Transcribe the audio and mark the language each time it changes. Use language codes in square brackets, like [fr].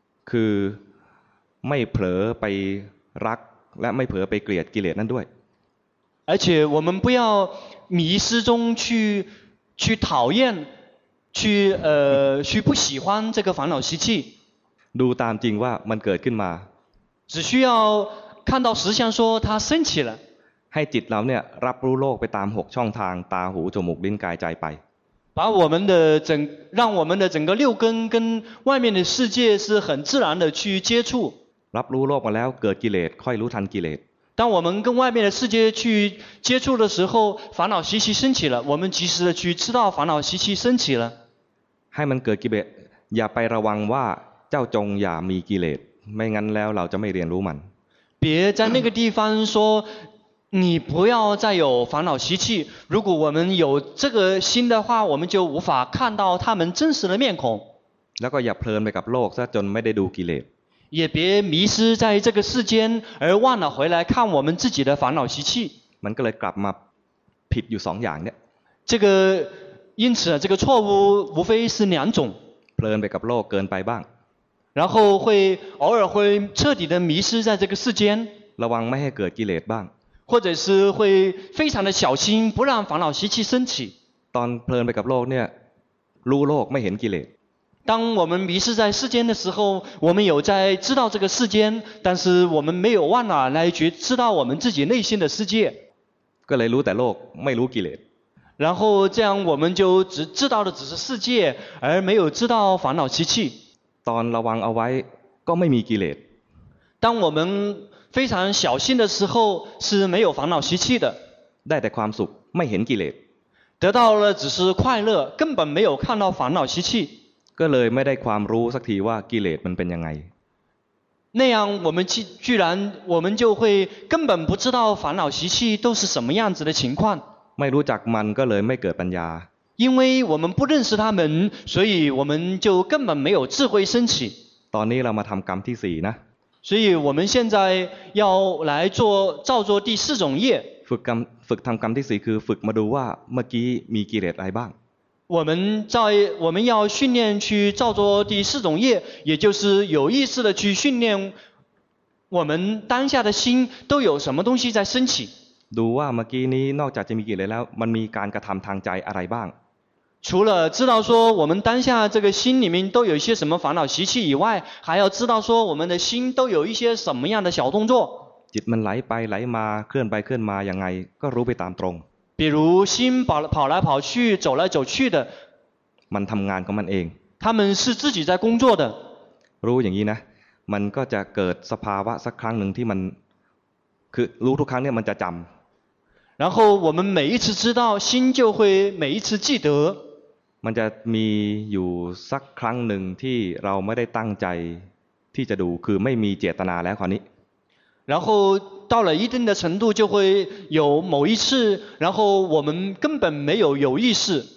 [th] คือไม่เผลอไปรักและไม่เผลอไปเกลียดกิเลสนั่นด้วย [zh] 而且我们不要迷失中去讨厌去不喜欢这个烦恼习气 [th] ดูตามจริงว่ามันเกิดขึ้นมา [zh] 只需要看到实相说它升起了 [th] ให้จิตเราเนี่ยรับรู้โลกไปตาม6ช่องทางตาหูจมูกลิ้นกายใจไป [zh] 把我们的整让我们的整个六根跟外面的世界是很自然的去接触 [th] รับรู้โลกมาแล้วเกิดกิเลสค่อยรู้ทันกิเลส [zh] 当我们跟外面的世界去接触的时候烦恼习气升起了我们及时的去知道烦恼习气升起了 [th] ให้มันเกิดกิเลสอย่าไประวังว่าเจ้าจงอย่ามีกิเลสไม่งั้นแล้วเราจะไม่เรียนรู้มัน [zh] 别在那个地方说你不要再有烦恼习气如果我们有这个心的话我们就无法看到他们真实的面孔 [th] แล้วก็อย่าเพลินไปกับโลกซะจนไม่ได้ดูกิเลส [zh] 也别迷失在这个世间而忘了回来看我们自己的烦恼习气 [th] มันก็เลยกลับมาผิดอยู่2อย่างเนี่ย [zh] 这个因此这个错误无非是两种 [th] เพลินไปกับโลกเกินไปบ้าง [zh] 然后会偶尔会彻底的迷失在这个世间 [th] ระวังไม่ให้เกิดกิเลสบ้าง [zh] หรือ是会非常的小心不让烦恼习气升起 [th] ตอนเพลินไปกับโลกเนี่ยรู้โลกไม่เห็นกิเลส [zh] 当我们迷失在世间的时候我们有在知道这个世间但是我们没有忘了来觉知道我们自己内心的世界 [th] ก็เลยรู้แต่โลกไม่รู้กิเลส [zh] 然后这样我们就只知道的只是世界，而没有知道烦恼习气。 [th] ตอนระวังเอาไว้ก็ไม่มีกิเลส。 [zh] 当我们非常小心的时候是没有烦恼习气的。 [th] ได้แต่ความสุขไม่เห็นกิเลส。 [zh] 得到了只是快乐，根本没有看到烦恼习气。 [th] ก็เลยไม่ได้ความรู้สักทีว่ากิเลสมันเป็นยังไง。 [zh] 那样我们就会根本不知道烦恼习气都是什么样子的情况。 [th] ไม่รู้จักมันก็เลยไม่เกิดปัญญา [zh] 因为我们不认识他们所以我们就根本没有智慧升起 [th] ตอนนี้เรามาทำกรรมที่สี่นะ [zh] 所以我们现在要来做造作第四种业 [th] ฝึกทำกรรมที่สี่คือฝึกมาดูว่าเมื่อกี้มีกิเลสอะไรบ้าง [zh] 我们要训练去造作第四种业也就是有意识的去训练我们当下的心都有什么东西在升起 [th] ดูว่าเมื่อกี้นี้นอกจากจะมีกิเลสแล้วมันมีการกระทําทางใจอะไรบ้าง [zh] 除了知道说我们当下这个心里面都有一些什么烦恼习气以外还要知道说我们的心都有一些什么样的小动作 [th] จิตมันไหลไปไหลมาเคลื่อนไปเคลื่อนมายังไงก็รู้ไปตามตรง [zh] 比如心跑来跑去走来走去的 [th] มันทํางานของมันเอง [zh] 他们是自己在工作的 [th] รู้อย่างนี้นะมันก็จะเกิดสภาวะสักครั้งนึงที่มันคือรู้ทุกครั้งเนี่ยมันจะจํา [zh] 然后我们每一次知道心就会每一次记得 [th] มันจะมีอยู่สักครั้งหนึ่งที่เราไม่ได้ตั้งใจที่จะดูคือไม่มีเจตนาแล้วคราวนี้ [zh] 然后到了一定的程度就会有某一次然后我们根本没有有意识